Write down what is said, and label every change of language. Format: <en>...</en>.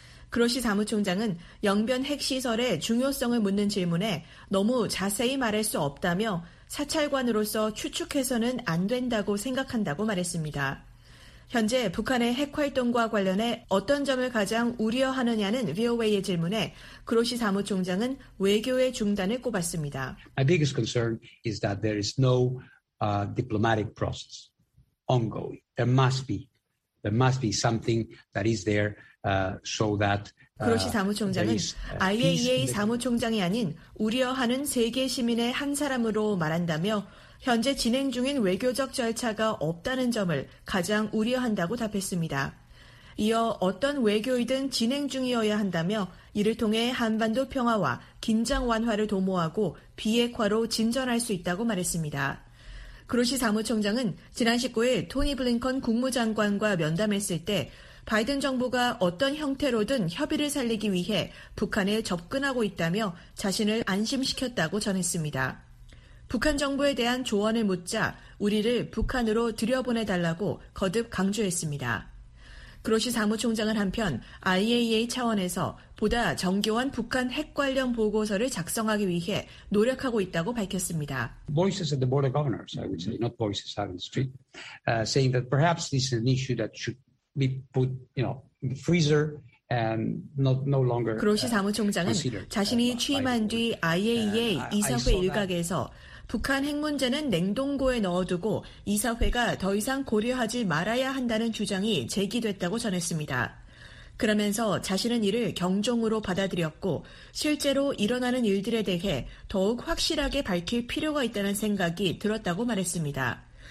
<ko>그로시 사무총장은 영변 핵시설의 중요성을 묻는 질문에 너무 자세히 말할 수 없다며 사찰관으로서 추측해서는 안 된다고 생각한다고 말했습니다. 현재 북한의 핵활동과 관련해 어떤 점을 가장 우려하느냐는 VOA의 질문에 그로시 사무총장은 외교의 중단을 꼽았습니다.</ko> <en>My biggest concern is that there is no diplomatic process ongoing. There must be something that is there so that</en> <ko>그로시 사무총장은 IAEA 사무총장이 아닌 우려하는 세계 시민의 한 사람으로 말한다며 현재 진행 중인 외교적 절차가 없다는 점을 가장 우려한다고 답했습니다. 이어 어떤 외교이든 진행 중이어야 한다며 이를 통해 한반도 평화와 긴장 완화를 도모하고 비핵화로 진전할 수 있다고 말했습니다. 그로시 사무총장은 지난 19일 토니 블링컨 국무장관과 면담했을 때 바이든 정부가 어떤 형태로든 협의를 살리기 위해 북한에 접근하고 있다며 자신을 안심시켰다고 전했습니다. 북한 정부에 대한 조언을 묻자 우리를 북한으로 들여보내달라고 거듭 강조했습니다. 그로시 사무총장은 한편 IAEA 차원에서 보다 정교한 북한 핵 관련 보고서를 작성하기 위해 노력하고 있다고 밝혔습니다.</ko> <en>Voices at the border governors, I would say, not voices out in the street, saying that perhaps this is an issue that should be put, you know, in the freezer. And no longer,</en> <ko>그로시 사무총장은 자신이 취임한 뒤 IAEA 이사회 일각에서 북한 핵 문제는 냉동고에 넣어두고 이사회가 더 이상 고려하지 말아야 한다는 주장이 제기됐다고 전했습니다. 그러면서 자신은 이를 경종으로 받아들였고 실제로 일어나는 일들에 대해 더욱 확실하게 밝힐 필요가 있다는 생각이 들었다고 말했습니다.</ko>